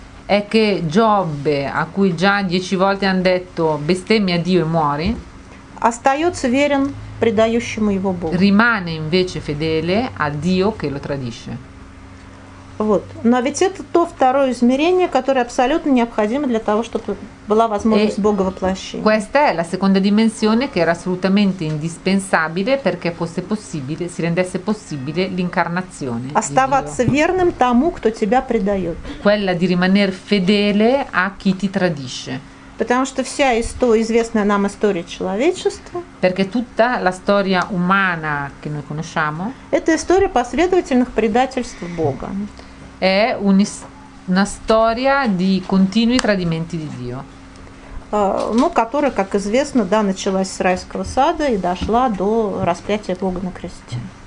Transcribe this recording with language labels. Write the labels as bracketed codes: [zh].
[it] è che Giobbe, a cui già 10 volte hanno detto bestemmia Dio e muori, [ru] остается верен предающему его Богу. [it] Rimane invece fedele a Dio che lo tradisce. [ru] Вот. Но ведь это то второе измерение, которое абсолютно необходимо для того, чтобы была возможность Бога воплощения. [it] Questa è la seconda dimensione che era assolutamente indispensabile perché fosse possibile, si rendesse possibile l'incarnazione. [ru] Оставаться верным тому, кто тебя предает. [it] Quella di rimanere fedele a chi ti tradisce. [ru] Потому что вся история, известная нам история человечества. [it] Perché tutta la storia umana che noi conosciamo. [ru] Это история последовательных предательств Бога. [it] È una storia di continui tradimenti di Dio. [ru] Ну, которая, как известно, да, началась с райского сада и дошла до распятия Бога на кресте.